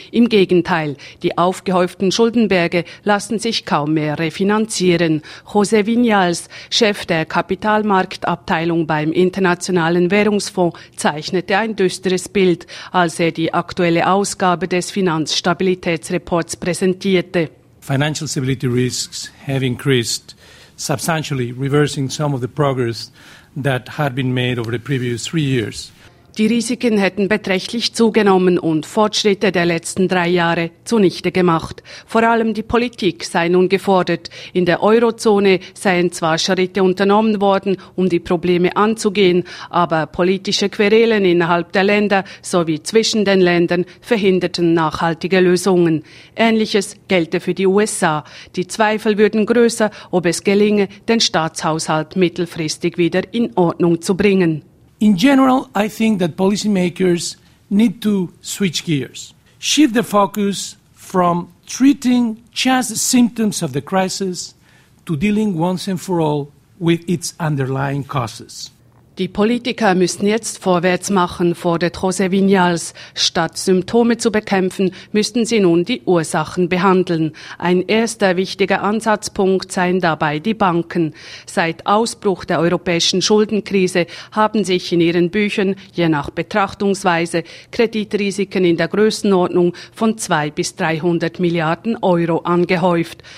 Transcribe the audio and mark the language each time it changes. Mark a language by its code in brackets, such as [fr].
[de] Im Gegenteil, die aufgehäuften Schuldenberge lassen sich kaum mehr refinanzieren. José Vinyals, Chef der Kapitalmarktabteilung beim Internationalen Währungsfonds, zeichnete ein düsteres Bild, als er die aktuelle Ausgabe des Finanzstabilitätsreports präsentierte. [en] Financial stability risks have increased substantially, reversing some of the progress that had been made over the previous 3 years. [de] Die Risiken hätten beträchtlich zugenommen und Fortschritte der letzten 3 Jahre zunichte gemacht. Vor allem die Politik sei nun gefordert. In der Eurozone seien zwar Schritte unternommen worden, um die Probleme anzugehen, aber politische Querelen innerhalb der Länder sowie zwischen den Ländern verhinderten nachhaltige Lösungen. Ähnliches gelte für die USA. Die Zweifel würden größer, ob es gelinge, den Staatshaushalt mittelfristig wieder in Ordnung zu bringen. [en] In general, I think that policymakers need to switch gears, shift the focus from treating just the symptoms of the crisis to dealing once and for all with its underlying causes. [de] Die Politiker müssen jetzt vorwärts machen, fordert José Vinyals. Statt Symptome zu bekämpfen, müssten sie nun die Ursachen behandeln. Ein erster wichtiger Ansatzpunkt seien dabei die Banken. Seit Ausbruch der europäischen Schuldenkrise haben sich in ihren Büchern, je nach Betrachtungsweise, Kreditrisiken in der Größenordnung von 200 bis 300 Milliarden Euro angehäuft.